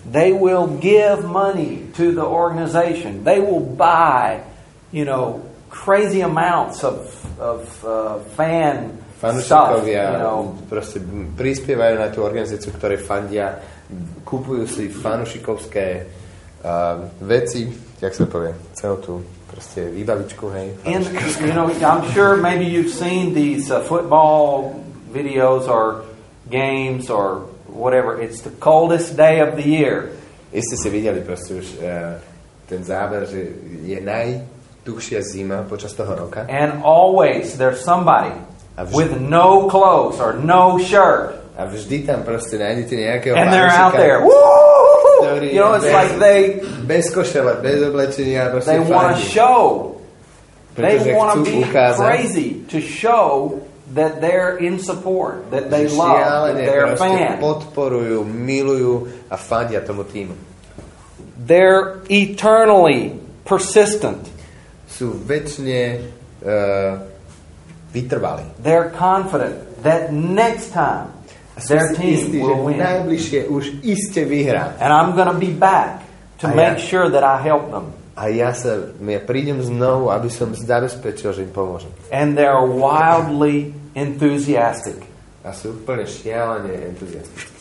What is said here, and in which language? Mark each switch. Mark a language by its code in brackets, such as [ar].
[en] They will give money to the organization. They will buy, you know, crazy amounts of fan stuff. [sk] Fanúšikovia, proste prispievajú na tú organizáciu, ktoré fandia, kúpujú si fanúšikovské veci, jak sa povie, celú tú proste výbavičku, hej. [en] And, you know, I'm sure maybe you've seen these football videos or games or whatever. It's the coldest day of the year. [sk] Iste si videli proste už ten záber, že je najtuchšia zima počas toho roka. [en] And always there's somebody with no clothes or no shirt. [sk] A vždy tam proste nájdete nejakého [en] And they're out there. [sk] Ktorý, [en] you know, it's like they [sk] bez košele, bez oblečenia, proste [en] they want to show. They want to be [sk] ukázať. [en] Crazy to show that they're in support, that they love, that they're a fan. [sk] Podporujú, milujú a fandia tomu tímu. [en] They're eternally persistent. [sk] Sú večne vytrvali. [en] They're confident that next time their team [sk] istý, [en] will win. [sk] Najbližšie už iste vyhrá. [en] And I'm going to be back to make sure that I help them. [sk] A ja prídem znovu, aby som zabezpečil, že im pomôžem. [en] And they are wildly enthusiastic. [sk] A sú úplne šialene enthusiastic.